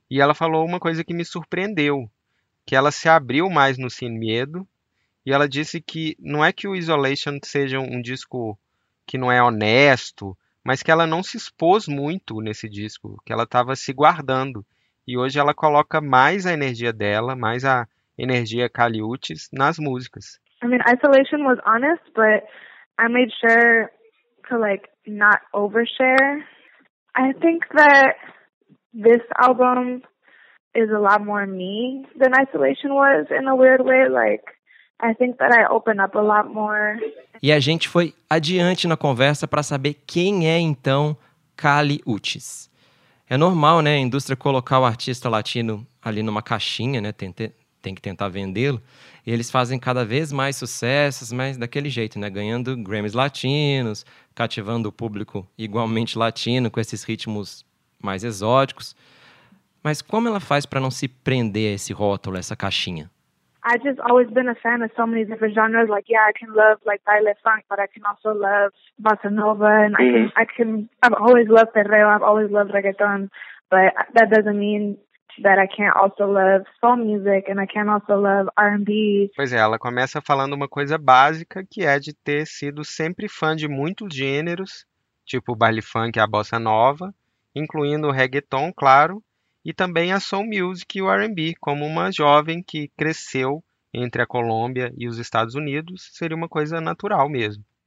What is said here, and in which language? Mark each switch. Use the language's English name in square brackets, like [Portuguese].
[Portuguese] E ela falou uma coisa que me surpreendeu, que ela se abriu mais no Sin Miedo, e ela disse que não é que o Isolation seja um disco que não é honesto, mas que ela não se expôs muito nesse disco, que ela estava se guardando. E hoje ela coloca mais a energia dela, mais a... energia Kali Uchis nas músicas. [English] I mean, Isolation was honest, but I made sure to like not overshare. I think that this album is a lot more me than Isolation was in a weird way. Like, I think that I open up a lot more. [Portuguese] E a gente foi adiante na conversa para saber quem é então Kali Uchis. É normal, né, a indústria colocar o artista latino ali numa caixinha, né, tem que tentar vendê-lo, e eles fazem cada vez mais sucessos, mas daquele jeito, né? Ganhando Grammys latinos, cativando o público igualmente latino, com esses ritmos mais exóticos. Mas como ela faz para não se prender a esse rótulo, a essa caixinha? [English] I've just always been a fan of so many different genres. Like, yeah, I can love, like, baile funk, but I can also love bossa nova, and I've always loved perreo, I've always loved reggaeton, but that doesn't mean... that I can't also love soul music and I can't also love R&B. [Portuguese] Pois é, ela começa falando uma coisa básica, que é de ter sido sempre fã de muitos gêneros, tipo baile funk e a bossa nova, incluindo o reggaeton, claro, e também a soul music e o R&B, como uma jovem que cresceu entre a Colômbia e os Estados Unidos, seria uma coisa natural mesmo.